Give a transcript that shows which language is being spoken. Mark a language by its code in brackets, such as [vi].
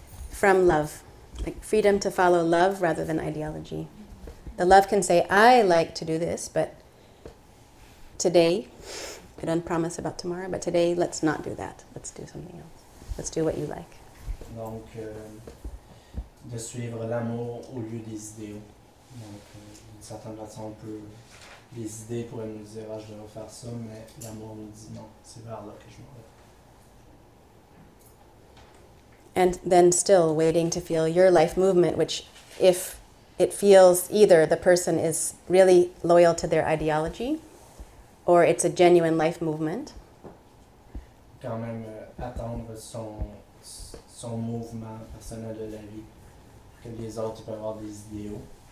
[en] From love, like freedom to follow love rather than ideology. The love can say, I like to do this, but today, I don't promise about tomorrow, but today, let's not do that. Let's do something else. Let's do what you like. [fr] Donc, de suivre l'amour au lieu des idéaux. Donc, d'une certaine façon, on peut, les idées pourraient nous dire, je devrais faire ça, mais l'amour nous dit, non, c'est vers là que je m'en vais. [en] And then still waiting to feel your life movement, which if it feels either the person is really loyal to their ideology or it's a genuine life movement. [fr] Quand même attendre son mouvement personnel de la vie, que les autres peuvent avoir des idéaux.